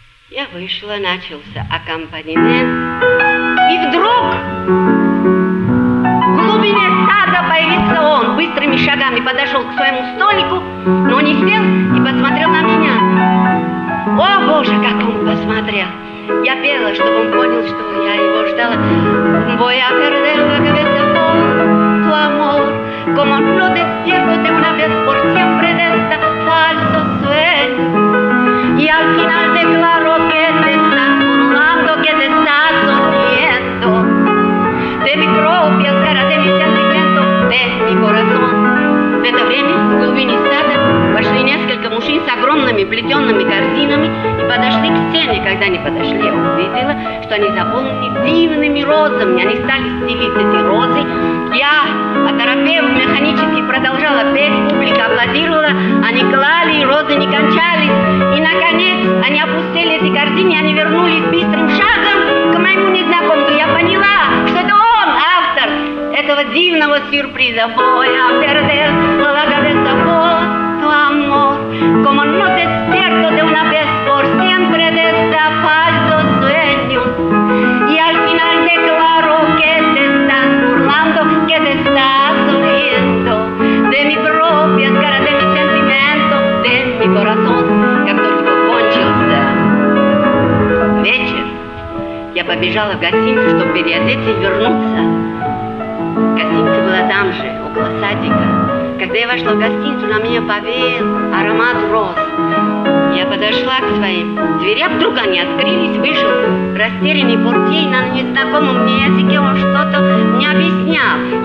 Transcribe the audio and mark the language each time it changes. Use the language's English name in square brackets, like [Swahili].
[Russian] Я вышла, начался аккомпанемент, и вдруг в глубине сада появился он. Быстрыми шагами подошел к своему столику, но не сел и посмотрел на меня. О, Боже, как он посмотрел! Я пела, чтобы он понял, что я его ждала. [Spanish] Voy a perder la cabeza por tu amor. Como no despierto de una vez por siempre de este falso sueño. Y al final declaro que te estás burlando, que te estás sonriendo. De mi propia cara, de mi sentimiento, de mi corazón. [Russian] В это время в глубине сада вошли несколько мужчин с огромными плетенными корзинами и подошли к сцене. Когда они подошли, я увидела, что они заполнены дивными розами. Они стали стелить эти розы. Я, оторопев механически, продолжала петь, публика аплодировала. Они клали, розы не кончались. И, наконец, они опустили эти корзины, и они вернулись быстрым шагом к моему незнакомцу. Я поняла, что это он, автор этого дивного сюрприза. [Spanish] Voy a perder la cabeza por tu amor. Como no despierto de una vez por siempre de este falso sueño. Y al final declaro que te estás burlando, que te estás sonriendo. De mi propia cara, de mi sentimiento, de mi corazón. [Russian] Как только кончился вечер, я побежала в гостиницу, чтобы переодеться и вернуться. Гостиница была там же, около садика. Когда я вошла в гостиницу, на меня повеял аромат роз. Я подошла к своим дверям, вдруг они открылись, вышел растерянный портье, на незнакомом мне языке он что-то мне объяснял.